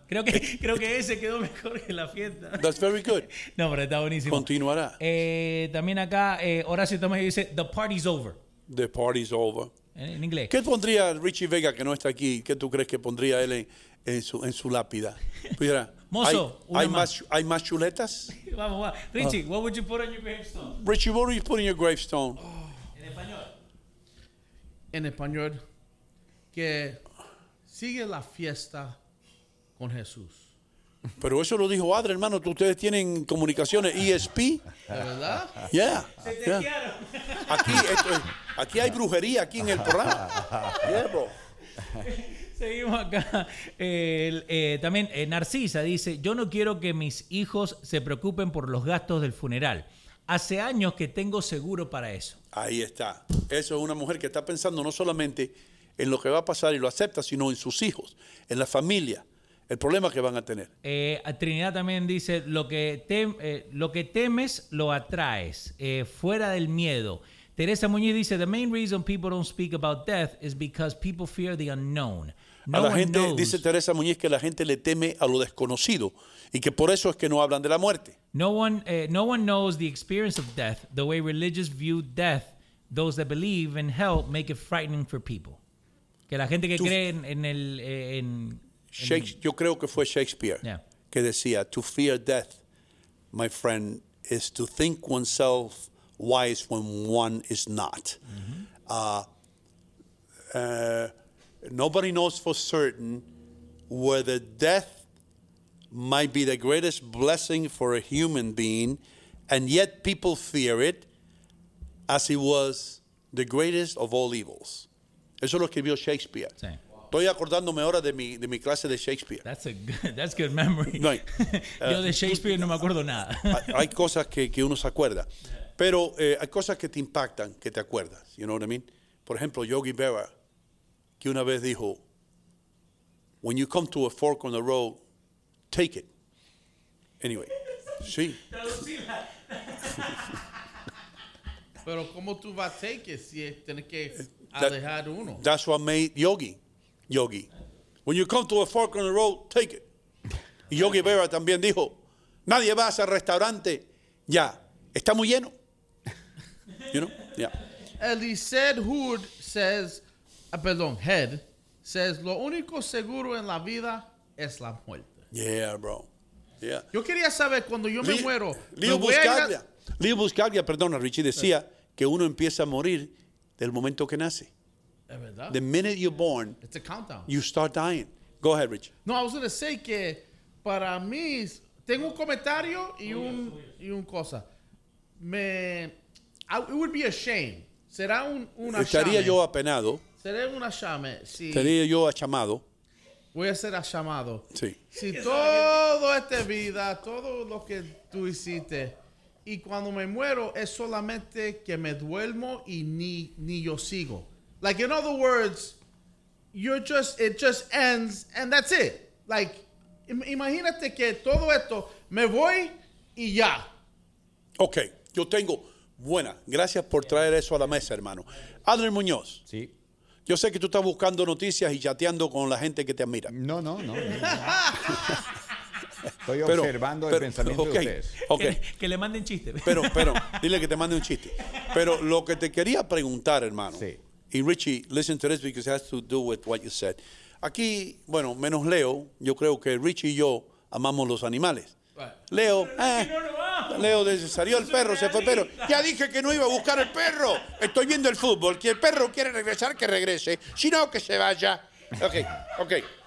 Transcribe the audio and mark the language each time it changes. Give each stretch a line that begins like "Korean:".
Spanish: Creo que ese quedó mejor que la fiesta.
English: That's very good.
Spanish: No, pero está buenísimo. Continuará. También acá Horacio Tomás dice,
English: the party's over. The party's over.
Spanish: En inglés. ¿Qué pondría Richie Vega, que no está aquí? ¿Qué tú crees que pondría él en su lápida? Pudiera, mozo, ¿Hay más chuletas? Vamos.
English: Richie, what would you put on your gravestone? Richie, what would you put in your gravestone?
Spanish: En español, que sigue la fiesta con Jesús. Pero eso lo dijo Adler, hermano. Ustedes tienen comunicaciones ESP. ¿De verdad?
English: Yeah.
Spanish: Se
English: yeah.
Spanish: Te aquí, esto, aquí hay brujería aquí en el programa. Hierro. Seguimos acá. También Narcisa dice, yo no quiero que mis hijos se preocupen por los gastos del funeral. Hace años que tengo seguro para eso. Ahí está. Eso es una mujer que está pensando no solamente en lo que va a pasar y lo acepta, sino en sus hijos, en la familia, el problema que van a tener. Trinidad también dice, lo que temes lo atraes, fuera del miedo.
English: Teresa Muñiz dice, the main reason people don't speak about death is because people fear the unknown.
Spanish: No a la gente, knows. Dice Teresa Muñiz, que la gente le teme a lo desconocido y que por eso es que no hablan de la muerte.
English: No one knows the experience of death the way religious view death. Those that believe in hell make it frightening for people.
Spanish: Que la gente que cree en Shakespeare, yo creo que fue Shakespeare,
English: yeah,
Spanish: que decía,
English: to fear death, my friend, is to think oneself wise when one is not. Mm-hmm. Nobody knows for certain whether death might be the greatest blessing for a human being, and yet people fear it as it was the greatest of all evils.
Spanish: Eso lo escribió Shakespeare. Sí. Estoy acordándome ahora de mi clase de Shakespeare.
English: That's good memory.
Spanish: No, yo de Shakespeare no me acuerdo nada. Hay cosas que uno se acuerda, pero hay cosas que te impactan, que te acuerdas.
English: You know what I mean?
Spanish: Por ejemplo, Yogi Berra, que una vez dijo,
English: when you come to a fork on the road, take it. Anyway, sí.
Spanish: Pero ¿cómo tú vas a
English: take it
Spanish: si tienes que alejar uno?
English: That's what made Yogi. Yogi, when you come to a fork on the road, take it.
Spanish: Y Yogi Berra también dijo, nadie va a ese restaurante ya. Está muy lleno.
English: You know? Yeah.
Spanish: Elised Hood says, perdón, Head, says, lo único seguro en la vida es la muerte.
English: Yeah, bro. Yeah.
Spanish: Yo quería saber, cuando yo me muero, Leo Buscaglia. Leo Buscaglia, perdona, Richie, decía que uno empieza a morir del momento que nace.
English: The minute you're born, it's a countdown. You start dying. Go ahead, Rich.
Spanish: No,
English: I was going to say
Spanish: que para mí, tengo un comentario y un cosa.
English: It would be a shame.
Spanish: Será una shame. Estaría yo apenado. Sería una shame. Si estaría yo achamado. Voy a ser achamado. Sí. Si toda esta vida, todo lo que tú hiciste, y cuando me muero, es solamente que me duermo y ni yo sigo.
English: Like, in other words, it just ends, and that's it.
Spanish: Like, imagínate que todo esto, me voy y ya. Okay, yo tengo. Buena, gracias por traer eso a la mesa, hermano. Adler Muñoz. Sí. Yo sé que tú estás buscando noticias y chateando con la gente que te admira. No. Estoy observando el pensamiento de ustedes. Okay. Que le manden chiste. Pero, dile que te mande un chiste. Pero lo que te quería preguntar, hermano. Sí.
English: Y Richie, listen to this because it has to do with what you said.
Spanish: Aquí, bueno, menos Leo, yo creo que Richie y yo amamos los animales. Leo, Leo salió el perro, se fue el perro. Ya dije que no iba a buscar el perro. Estoy viendo el fútbol. Que el perro quiere regresar, que regrese. Si no, que se vaya. Ok.